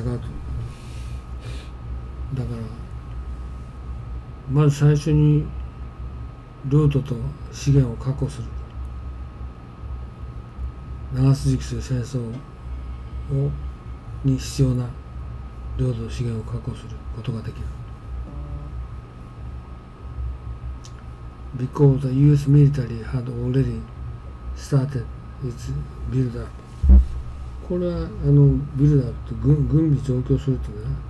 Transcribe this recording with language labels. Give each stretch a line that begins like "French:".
Japanese: だからまず最初にルートと資源を確保する。長続きする戦争をに必要な領土と資源を確保することができる。
English: Because the US military had already started its build up。
Japanese: これはビルドアップって軍備増強するってね。